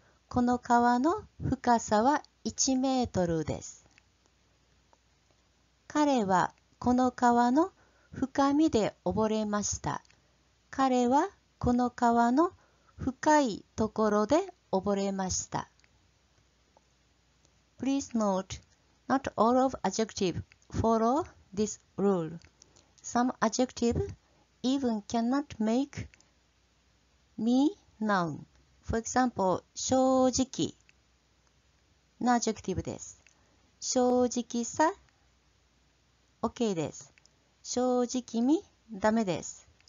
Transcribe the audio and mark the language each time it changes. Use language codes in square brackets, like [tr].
[ja] この川の深さは1メートルです。彼はこの川の深みで溺れました。彼はこの川の深いところで溺れました。 [en] Please note, not all of adjectives follow this rule. Some adjectives even cannot make me noun. For example, [ja] 正直のアジェクティブです。正直さ、OK です。正直み、ダメです。